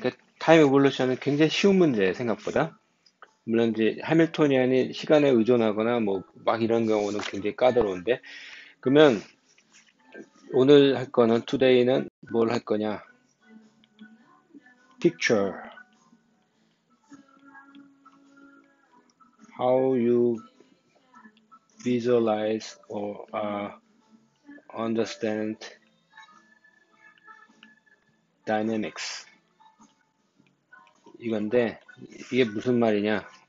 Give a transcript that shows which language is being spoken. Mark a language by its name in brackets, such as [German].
[Korean] 그러니까 time evolution은 굉장히 쉬운 문제예요, 생각보다. 물론 이제 해밀토니안이 시간에 의존하거나 뭐막 이런 경우는 굉장히 까다로운데, 그러면 오늘 할 거는 투데이는 뭘할 거냐? [English] picture how you visualize or understand dynamics. [Korean] 이건데 이게 무슨 말이냐?